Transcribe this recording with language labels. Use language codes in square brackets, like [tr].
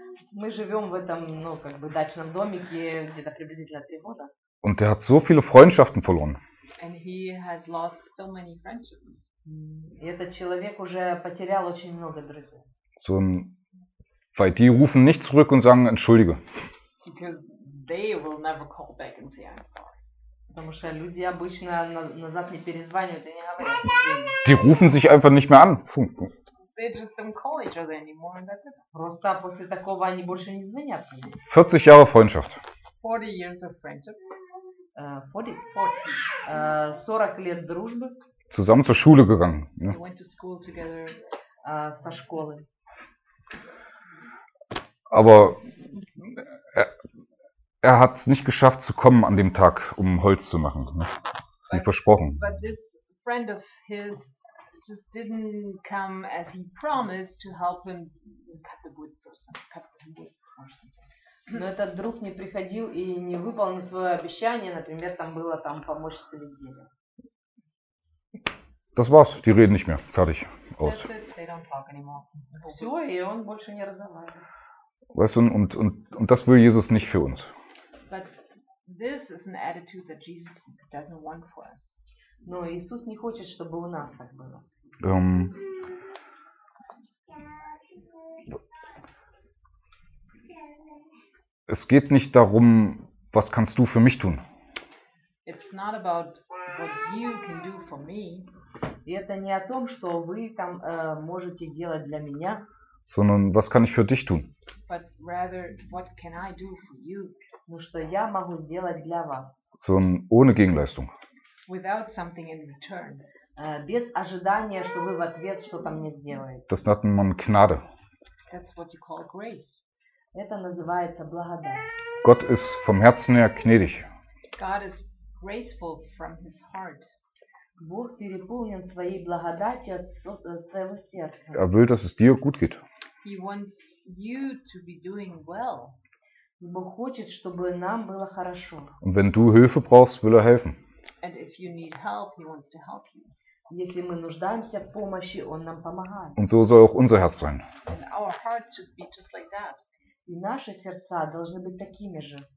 [ru] Мы живем в этом, ну, как бы дачном домике где-то приблизительно 3 года. [de] Und er hat so viele Freundschaften verloren. [en] And he has lost so many friendships. [ru] И этот человек уже потерял очень много друзей. [de] So, weil die rufen nicht zurück und sagen entschuldige. [en] Because they will never call back and say I'm sorry. [ru] Потому что люди обычно назад не перезванивают и не говорят. [de] Die rufen sich einfach nicht mehr an. [en] They just don't call each other anymore, and that's it. [ru] Просто после такого они больше не звонят. [de] 40 Jahre Freundschaft. [en] 40 years of friendship. 40. [ru] 40 лет дружбы. [de] Zusammen zur Schule gegangen. [en] We went to school together. [ru] Со школы. [de] Aber er hat es nicht geschafft zu kommen an dem Tag, um Holz zu machen. Ne? Wie versprochen. [en] But this friend of his just didn't come as he promised to help him cut the wood or something. [ru] Но этот друг не приходил и не выполнил свое обещание, например, там было там помочь с деревьями. [de] Das war's, die reden nicht mehr. Fertig. Aus. [en] They don't talk anymore. [ru] Все, и он больше не разговаривает. [de] Weißt du, und das will Jesus nicht für uns. [en] But this is an attitude that Jesus doesn't want for us. [ru] Но Иисус не хочет, чтобы у нас так было. [de] Es geht nicht darum, was kannst du für mich tun. [en] It's not about what you can do for me. [ru] И это не о том, что вы там можете делать для меня. [de] Sondern was kann ich für dich tun? [en] But rather, what can I do for you? [ru] Ну что я могу сделать для вас? [de] Ohne Gegenleistung. [en] Without something in return. [ru] Без ожидания, что вы в ответ что-то мне сделаете. [de] Das nennt man Gnade. [en] That's what you call grace. [ru] Это называется благодать. [de] Gott ist vom Herzen her gnädig. [en] God is graceful from his heart. [ru] Бог переполнен своей благодатью от своего сердца. [de] Er will, dass es dir gut geht. [en] He wants you to be doing well. [ru] Бог хочет, чтобы нам было хорошо. [de] Und wenn du Hilfe brauchst, will er helfen. [en] And if you need help, he wants to help you. [ru] Если мы нуждаемся в помощи, он нам помогает. [de] Und so soll auch unser Herz sein. [en] And our heart should be just like that. [ru] И наши сердца должны быть такими же.